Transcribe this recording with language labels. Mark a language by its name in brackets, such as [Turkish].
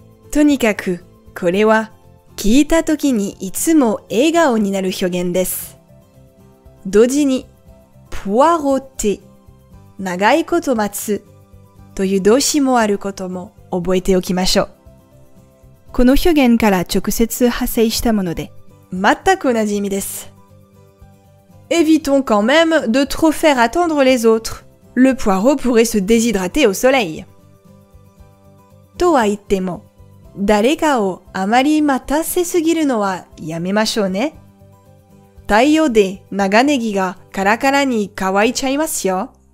[Japanese] とにかく、これは、聞いたときにいつも笑顔になる表現です。同時に、ポワロテ、長いこと待つという動詞もあることも覚えておきましょう。この表現から直接派生したもので、全く同じ意味です。 [French] Évitons quand même de trop faire attendre les autres. Le poireau pourrait se déshydrater au soleil. [Japanese] とは言っても、誰かをあまり待たせすぎるのはやめましょうね。太陽で長ネギがカラカラに乾いちゃいますよ。